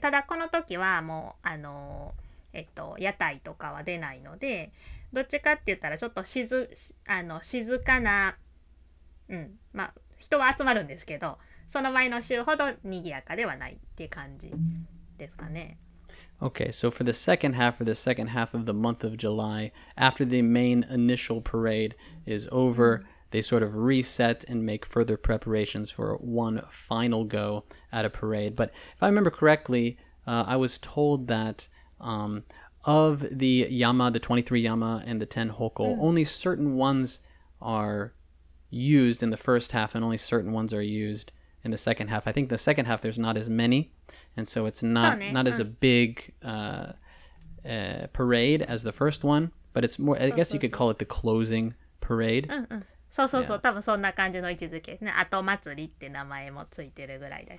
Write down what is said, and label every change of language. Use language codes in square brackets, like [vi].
[ja] ただこの時はもう屋台とかは出ないので、どっちかって言ったらちょっと静かな、まあ人は集まるんですけど、その前の週ほど賑やかではないって感じですかね。 [en] Okay, so for the second half, for the second half of the month of July, after the main initial parade is over, they sort of reset and make further preparations for one final go at a parade. But if I remember correctly, I was told that of the yama, the 23 yama and the 10 hoko, only certain ones are used in the first half and only certain ones are used in the second half. I think the second half there's not as many, and so it's not as a big parade as the first one, but it's more, I guess you could call it the closing parade. [ja] そう、多分そんな感じの位置づけね。後祭りって名前もついてるぐらいだし。